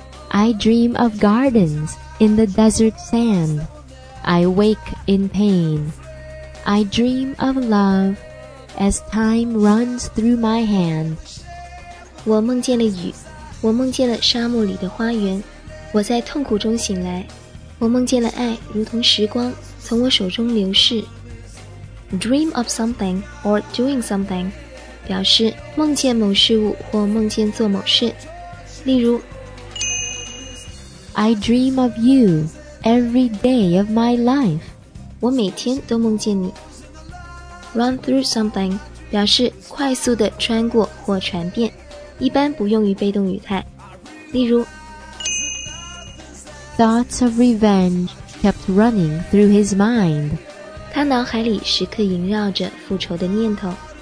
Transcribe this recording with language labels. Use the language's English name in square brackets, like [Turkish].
[English] I dream of gardens in the desert sand. I wake in pain. I dream of love as time runs through my hand. [Chinese] 我梦见了雨，我梦见了沙漠里的花园，我在痛苦中醒来，我梦见了爱如同时光从我手中流逝。 [English] Dream of something or doing something [Chinese] 表示梦见某事物或梦见做某事。例如 [English] I dream of you every day of my life. [Chinese] 我每天都梦见你。 [English] Run through something [Chinese] 表示快速的穿过或传遍，一般不用于被动语态。例如 [English] Thoughts of revenge kept running through his mind. [Chinese] 他脑海里时刻萦绕着复仇的念头。